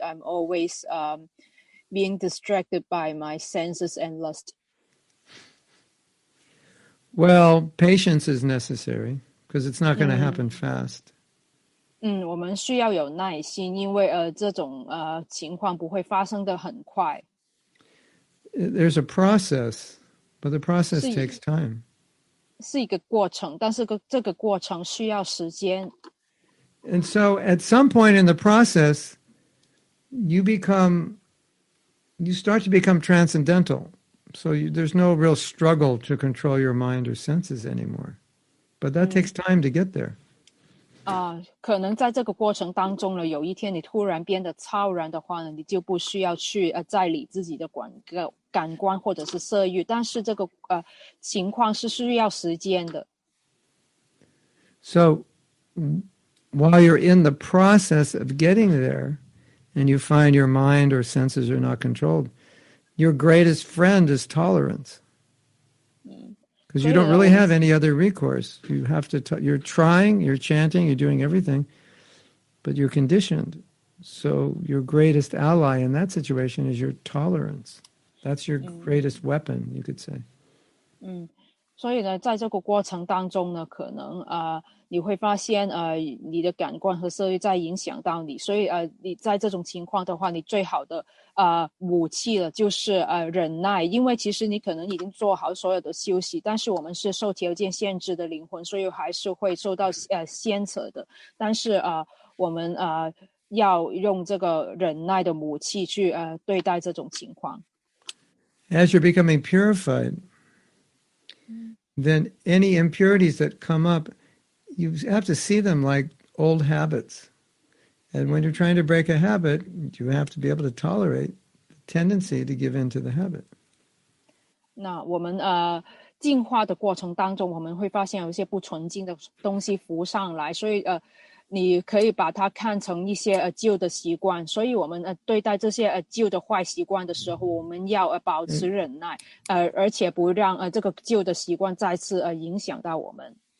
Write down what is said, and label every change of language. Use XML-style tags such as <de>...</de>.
<en>I'm always being distracted by my senses and lust. Well, patience is necessary because it's not going to happen fast.</en> <zh>我们需要有耐心，因为这种情况不会发生得很快。</zh> <en>There's a process, but the process takes time.</en> <zh>是一个过程，但是这个过程需要时间。</zh> <en>And so at some point in the process, you start to become transcendental. So there's no real struggle to control your mind or senses anymore. But that takes time to get there.</en> <zh>可能在这个过程当中呢，有一天你突然变得超然的话呢，你就不需要去再理自己的感官或者是色欲，但是这个情况是需要时间的。</zh> <en>So, while you're in the process of getting there, and you find your mind or senses are not controlled, your greatest friend is tolerance. Because you don't really have any other recourse. You have to, you're trying, you're chanting, you're doing everything, but you're conditioned. So your greatest ally in that situation is your tolerance. That's your greatest weapon, you could say.</en> <zh>所以呢，在这个过程当中呢，可能你会发现你的感官和色欲在影响到你。所以你在这种情况的话，你最好的武器了就是忍耐，因为其实你可能已经做好所有的休息，但是我们是受条件限制的灵魂，所以还是会受到牵扯的。但是我们要用这个忍耐的武器去对待这种情况。</zh> <en>As you're becoming purified, then any impurities that come up, you have to see them like old habits. And when you're trying to break a habit, you have to be able to tolerate the tendency to give in to the habit.</en> <zh>那我们进化的过程当中，我们会发现有一些不纯净的东西浮上来，所以你可以把它看成一些旧的习惯。所以我们对待这些旧的坏习惯的时候，我们要保持忍耐，而且不让这个旧的习惯再次影响到我们。</zh>